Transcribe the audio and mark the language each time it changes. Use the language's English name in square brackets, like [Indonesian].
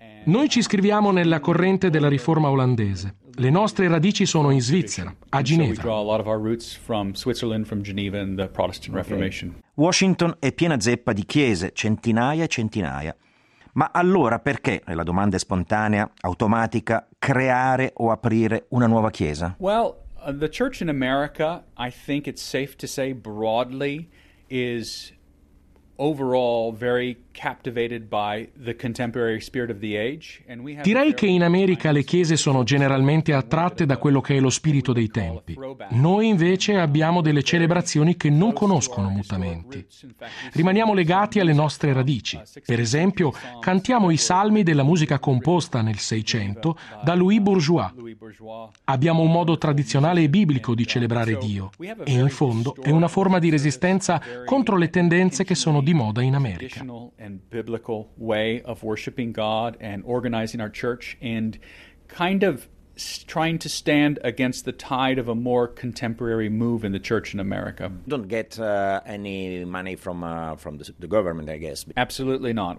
[Italian] Noi ci iscriviamo nella corrente della riforma olandese. Le nostre radici sono in Svizzera, a Ginevra. Washington è piena zeppa di chiese, centinaia e centinaia. Ma allora perché, e la domanda è spontanea, automatica, creare o aprire una nuova chiesa? [English] The church in America, I think it's safe to say broadly, is overall very captivated by the contemporary spirit of the age. [Italian] Direi che in America le chiese sono generalmente attratte da quello che è lo spirito dei tempi. Noi invece abbiamo delle celebrazioni che non conoscono mutamenti. Rimaniamo legati alle nostre radici. Per esempio, cantiamo i salmi della musica composta nel 600 da Louis Bourgeois. Abbiamo un modo tradizionale e biblico di celebrare Dio e in fondo è una forma di resistenza contro le tendenze che sono di moda in America. [English] and biblical way of worshiping God and organizing our church and kind of trying to stand against the tide of a more contemporary move in the church in America. Don't get any money from the government, I guess. Absolutely not.